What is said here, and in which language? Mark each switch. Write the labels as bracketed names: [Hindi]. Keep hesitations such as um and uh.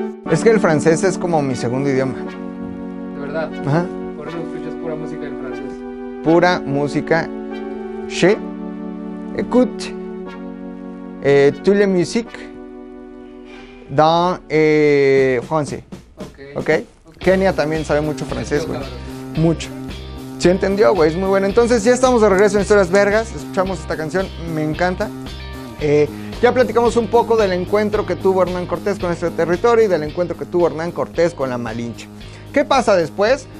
[Spanish] Es que el francés es como mi segundo idioma. de verdad. Ajá. Por eso escuchas pura música en francés. Pura música. [French] Je écoute eh, toute la musique dans eh, français. [Spanish] Ok. ¿Ok? Kenia también sabe mucho francés, güey. cabrón. Mucho. Sí entendió, güey, es muy bueno. Entonces ya estamos de regreso en Historias Vergas, escuchamos esta canción, me encanta. Eh, ya platicamos un poco del encuentro que tuvo Hernán Cortés con este territorio y del encuentro que tuvo Hernán Cortés con la Malinche. ¿Qué pasa después?